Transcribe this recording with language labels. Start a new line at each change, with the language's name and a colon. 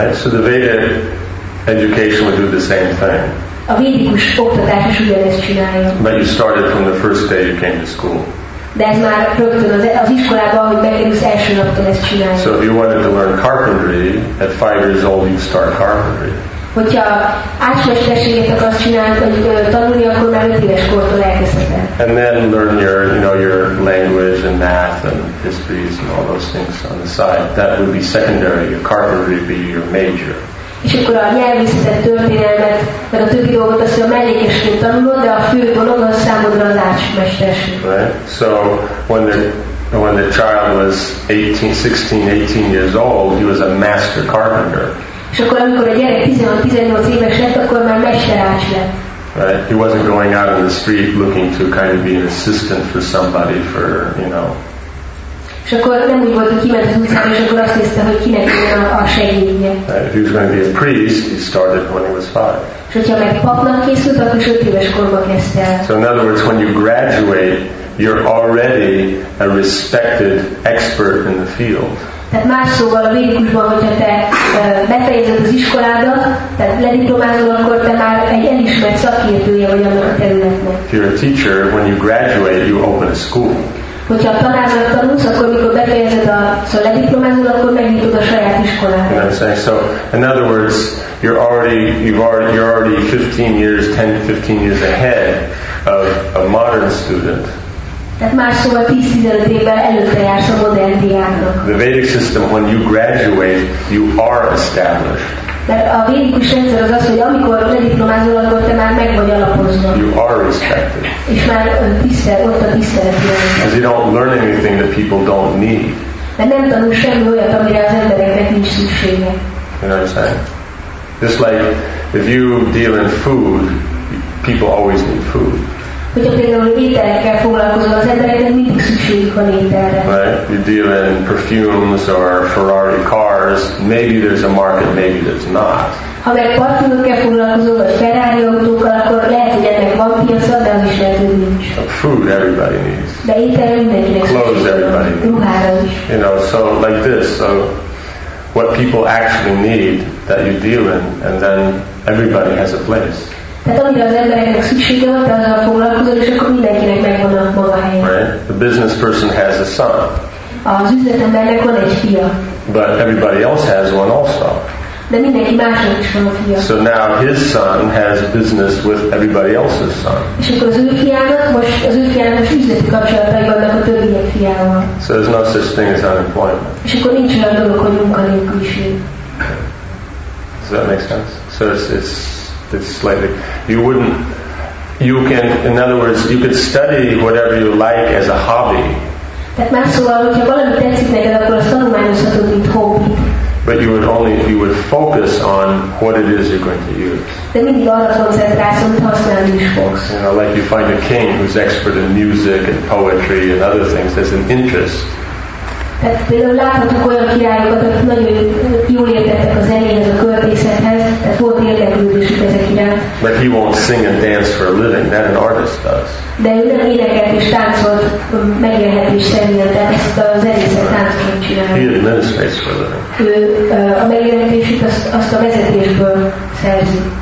English: Right, so the Vedic education would do the same thing.
Hungarian: A védikus oktatás is ugyanezt csinálja.
English: But you started from the first day you came to school.
Hungarian: De ez már rögtön az iskolában, hogy bekerülsz első napon ezt csinálja.
English: So if you wanted to learn carpentry, at 5 years old you'd start carpentry.
Hungarian: Hogyha átmesterséget akarsz csinálni, vagy tanulni, akkor már 5 éves kortól elkezdheted.
English: And then learn your language and math and histories and all those things on the side. That would be secondary. Your carpentry would be your major.
Hungarian: És akkor a nyelvészetet, történelmet, meg a többi dolgot azt mondja, mellékesként tanulod, de a fő dolog az számodra az átmesterség.
English: Right? So when the child was 16, 18 years old, he was a master carpenter.
Hungarian: És akkor amikor a gyerek 16-18 éves lett, akkor már mester ács lett.
English: Right? He wasn't going out on the street looking to kind of be an assistant for somebody for.
Hungarian: És akkor nem úgy volt, hogy kiment az utcára, és akkor azt nézte, hogy kinek jön a segénye.
English: If he was going to be a priest, he started when he was 5.
Hungarian: És hogyha meg papnak készült, akkor 5 éves korban kezdte el.
English: So in other words, when you graduate, you're already a respected expert in the field.
Hungarian: Tehát más szóval a védikusban, hogyha te befejezed az iskoládat, tehát lediplomázol, akkor te már egy elismert szakértője vagy annak a területnek.
English: If you're a teacher, when you graduate, you open a school.
Hungarian: Hogyha tanárnak tanulsz, akkor mikor befejezed a lediplomázol, akkor megnyitod a saját iskolát.
English: You know what I'm saying? So, in other words, you're already 10-15 years ahead of a modern student.
Hungarian: Tehát már szóval 10-15 évvel előtte jársz a modern diáknak.
English: The Vedic system, when you graduate, you are established.
Hungarian: Mert a védikus rendszer az az, hogy amikor lediplomázol, akkor te már meg vagy alapozva.
English: You are respected.
Hungarian: És már ott a tisztelet jön.
English: Because you don't learn anything that people don't need.
Hungarian: Mert nem tanul semmi olyat, amire az embereknek nincs szüksége.
English: You know what I'm saying? Just like if you deal in food, people always need food.
Hungarian: Hogyha például ételekkel foglalkozol, az embereknek mindig szükségük van ételre.
English: Right? You deal in perfumes or Ferrari cars, maybe there's a market, maybe there's not.
Hungarian: Ha meg parfümökkel foglalkozol, vagy Ferrari autókkal, akkor lehet, hogy ennek van piaca, de az is lehet, hogy nincs.
English: But food everybody needs.
Hungarian: De étel mindenkinek.
English: Clothes everybody needs.
Hungarian: Ruhára is.
English: You know, so like this, so what people actually need that you deal in, and then everybody has a place.
Hungarian: Tehát amire az embereknek szüksége van, tehát azzal foglalkozol, és akkor mindenkinek megvan a maga helye.
English: Right? The business person has a son.
Hungarian: Az üzletembernek van egy fia.
English: But everybody else has one also.
Hungarian: De mindenki másnak is van a fia.
English: So now his son has business with everybody else's son.
Hungarian: És akkor az ő fiának most üzleti kapcsolatai vannak a többiek fiával.
English: So there's no such thing as unemployment.
Hungarian: És akkor nincs olyan dolog, hogy munkanélküliség.
English: Does that make sense? So it's slightly. You wouldn't. You can. In other words, you could study whatever you like as a hobby.
Hungarian: Tehát más szóval, hogyha valami tetszik neked, akkor azt tanulmányozhatod, mint hobby.
English: But you would focus on what it is you're going to use.
Hungarian: De mindig arra koncentrálsz, amit használni is fogsz.
English: You know, like you find a king who's expert in music and poetry and other things. There's an interest.
Hungarian: Tehát például láthatok olyan királyokat, akik nagyon jól értettek a zenéhez, a költészethez, tehát volt érdeklődésük ezek iránt.
English: But he won't sing and dance for a living, that an artist does.
Hungarian: De ő nem énekelt és táncolt megélhetés szerint, de ezt a zenészek táncolt csinálja.
English: He administrates for a living.
Hungarian: Ő a megélhetésük azt a vezetésből szerzi.